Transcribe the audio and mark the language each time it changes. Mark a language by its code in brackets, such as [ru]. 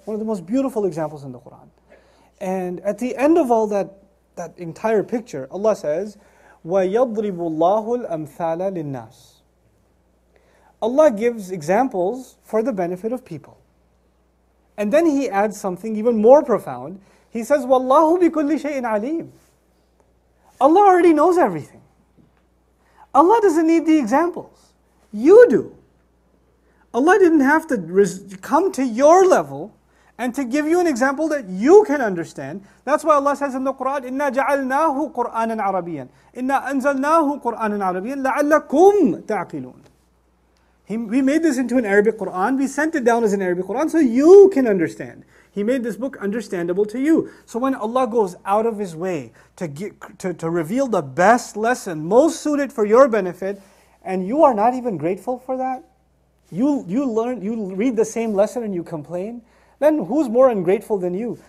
[en] One of the most beautiful examples in the Qur'an. And at the end of all that entire picture, Allah says, [ar] وَيَضْرِبُ اللَّهُ الْأَمْثَالَ لِلنَّاسِ. [en] Allah gives examples for the benefit of people. And then He adds something even more profound. He says, [ar] وَاللَّهُ بِكُلِّ شَيْءٍ عَلِيمٍ. [en] Allah already knows everything. Allah doesn't need the examples. You do. Allah didn't have to come to your level and to give you an example that you can understand. That's why Allah says in the Qur'an, [ar] إِنَّا جَعَلْنَاهُ قُرْآنًا عَرَبِيًا إِنَّا أَنزَلْنَاهُ قُرْآنًا عَرَبِيًا لَعَلَّكُمْ تَعْقِلُونَ. [en] We made this into an Arabic Qur'an. We sent it down as an Arabic Qur'an so you can understand. He made this book understandable to you. So when Allah goes out of His way to reveal the best lesson, most suited for your benefit, and you are not even grateful for that, you read the same lesson and you complain, then who's more ungrateful than you?